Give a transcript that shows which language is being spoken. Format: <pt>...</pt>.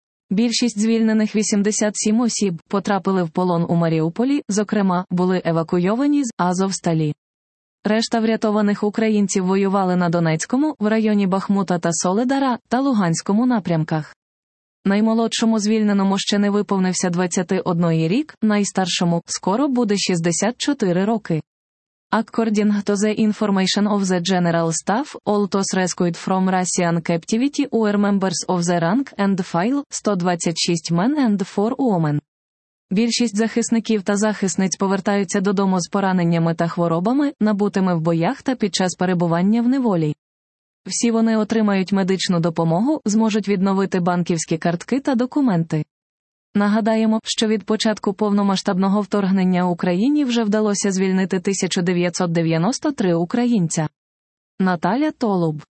<uk>Більшість звільнених 87 осіб потрапили в полон у Маріуполі, зокрема, були евакуйовані з Азовсталі. Решта врятованих українців воювали на Донецькому, в районі Бахмута та Соледара, та Луганському напрямках. Наймолодшому звільненому ще не виповнився 21 рік, найстаршому – скоро буде 64 роки.</uk> <en>According to the information of the General Staff, all those rescued from Russian captivity were members of the rank and file, 126 men and 4 women.</en> <uk>Більшість захисників та захисниць повертаються додому з пораненнями та хворобами, набутими в боях та під час перебування в неволі. Всі вони отримають медичну допомогу, зможуть відновити банківські картки та документи. Нагадаємо, що від початку повномасштабного вторгнення Україні вже вдалося звільнити 1993 українця. Наталя Толуб.</uk>